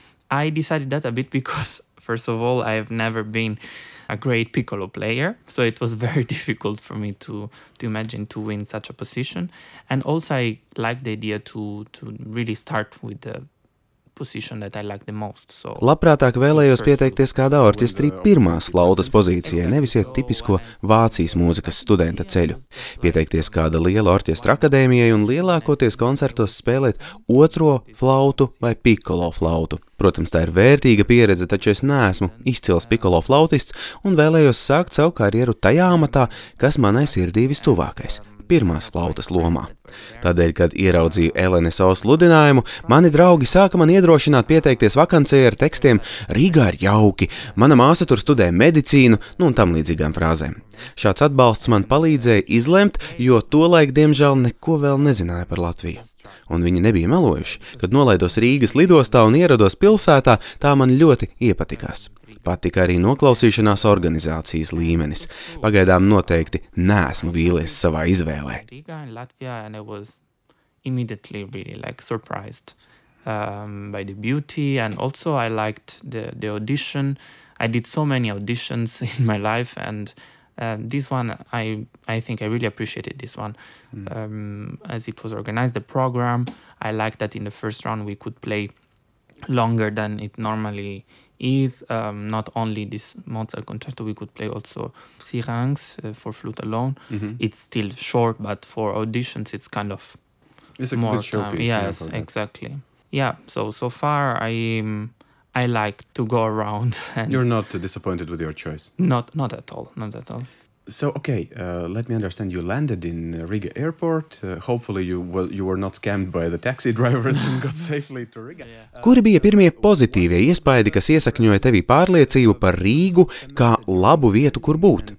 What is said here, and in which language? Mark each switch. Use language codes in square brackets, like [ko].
[en] I decided that a bit because, first of all, I have never been a great piccolo player, so it was very difficult for me to imagine to win such a position. And also I like the idea to really start with the position that I like the most. So [lv] labprātāk vēlējos pieteikties kādā orķestrī pirmās flautas pozīcijai, nevis iet tipisko Vācijas mūzikas studenta ceļu. Pieteikties kāda liela orķestra akadēmijai un lielākoties koncertos spēlēt otro flautu vai piccolo flautu. Protams, tā ir vērtīga pieredze, taču es neesmu izcils piccolo flautists un vēlējos sākt savu karjeru tajā amatā, kas manai sirdī vistuvākais – pirmās flautas lomā. Tādēļ, kad ieraudzīju LNSO sludinājumu, mani draugi sāka man iedrošināt pieteikties vakancijai ar tekstiem Rīgā ir jauki, mana māsa tur studē medicīnu, nu un tam līdzīgām frāzēm. Šāds atbalsts man palīdzēja izlemt, jo tolaik, diemžēl, neko vēl nezināja par Latviju. Un viņi nebija melojuši, kad nolaidos Rīgas lidostā un ierados pilsētā, tā man ļoti iepatikās. Patika arī noklausīšanās organizācijas līmenis. Pagaidām noteikti neesmu vīlies savā izvēlē. Rīgā un Latvijā, [en] and I was immediately really like surprised by the beauty, and also I liked the audition. I did so many auditions in my life, and this one, I think I really appreciated this one. As it was organized, the program, I liked that in the first round we could play longer than it normally is. Not only this Mozart concerto, we could play also Syrinx for flute alone. It's still short, but for auditions it's kind of it's a more good showpiece. Yes, exactly. Yeah, so far I like to go around. And you're not disappointed with your choice? Not at all, not at all. So, okay, let me understand. You landed in Riga airport. Hopefully you were not scammed by the taxi drivers and got safely to Riga. [lv] Kuri bija pirmie pozitīvie iespaidi, kas iesakņoja tevi pārliecību par Rīgu kā labu vietu, kur būt?